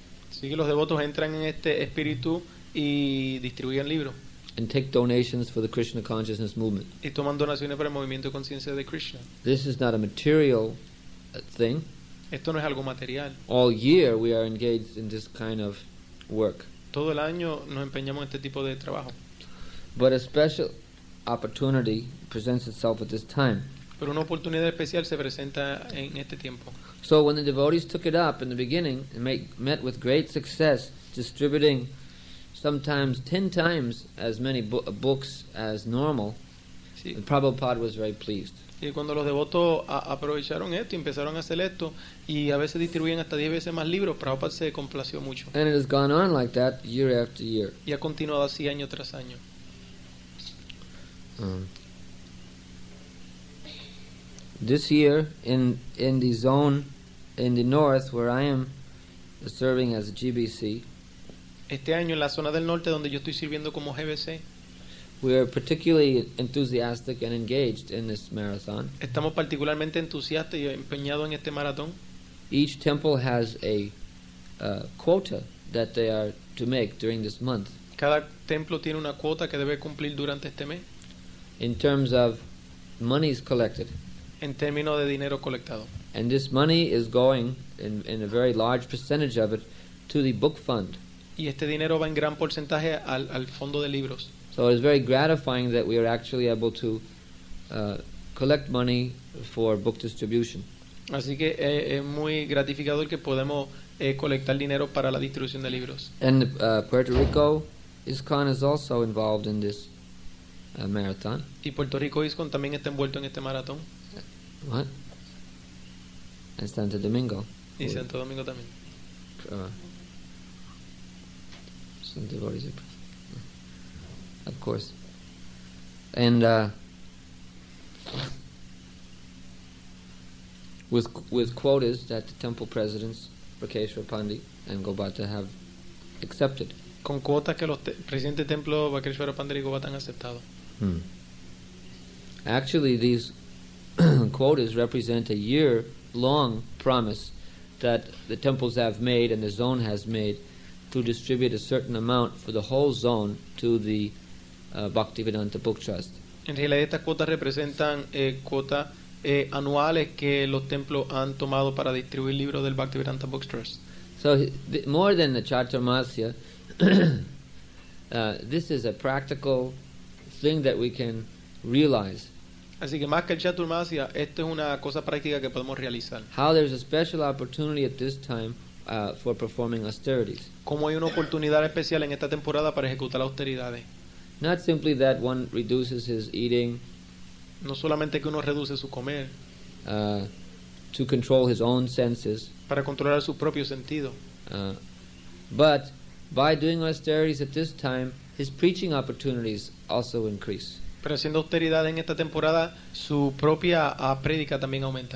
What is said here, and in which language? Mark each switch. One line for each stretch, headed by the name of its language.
Spanish: Así que los devotos entran en este espíritu y distribuyen libros.
English: And take donations for the Krishna consciousness movement.
Spanish: Y toman donaciones para el movimiento de conciencia de Krishna.
English: This is not a material thing.
Spanish: Esto no es algo material.
English: All year we are engaged in this kind of work.
Spanish: Todo el año nos empeñamos en este tipo de trabajo.
English: But a special opportunity presents itself at this time.
Spanish: Pero una oportunidad especial se presenta en este tiempo.
English: So when the devotees took it up in the beginning and met with great success distributing sometimes 10 times as many books as normal, sí, and Prabhupada was very pleased.
Spanish: Y cuando los devotos aprovecharon esto y empezaron a hacer esto y a veces distribuían hasta 10 veces más libros, Prabhupada se complació mucho.
English: And it has gone on like that year after year.
Spanish: Y ha continuado así año tras año.
English: This year in the zone in the north where I am serving as a GBC,
Spanish: este año en la zona del norte donde yo estoy sirviendo como GBC,
English: we are particularly enthusiastic and engaged in this marathon.
Spanish: Estamos particularmente entusiastas y empeñados en este maratón.
English: Each temple has a quota that they are to make during this month.
Spanish: Cada templo tiene una cuota que debe cumplir durante este mes.
English: In terms of monies collected.
Spanish: En términos de dinero colectado.
English: And this money is going in a very large percentage of it to the book fund.
Spanish: Y este dinero va en gran porcentaje al fondo de libros.
English: So it is very gratifying that we are actually able to collect money for book distribution.
Spanish: Así que es muy gratificador que podemos colectar dinero para la distribución de libros.
English: And Puerto Rico ISKCON is also involved in this marathon.
Spanish: Y Puerto Rico ISKCON también está envuelto en este maratón.
English: What? And Santo Domingo.
Spanish: Y Santo Domingo también.
English: Some devotees, of course. And with quotas that the temple presidents, Rakesh Rapandi and Gobata, have accepted.
Spanish: con cuotas que los presidentes templo Bakreshwara Pandarigopa han aceptado.
English: Actually, these quotas represent a year-long promise that the temples have made and the zone has made to distribute a certain amount for the whole zone to the Bhaktivedanta Book Trust.
Spanish: En realidad, estas cuotas representan cuotas anuales que los templos han tomado para distribuir libros del Bhaktivedanta Book Trust.
English: So, more than the Chaturmasya, this is a practical thing that we can realize.
Spanish: Así que más que el Chaturmasya, esto es una cosa práctica que podemos realizar.
English: How there's a special opportunity at this time for performing austerities.
Spanish: Como hay una oportunidad especial en esta temporada para ejecutar austeridades.
English: Not simply that one reduces his eating.
Spanish: No solamente que uno reduce su comer.
English: To control his own senses.
Spanish: Para controlar su propio sentido.
English: But by doing austerities at this time, his preaching opportunities also increase.
Spanish: Pero haciendo austeridad en esta temporada, su propia prédica también aumenta.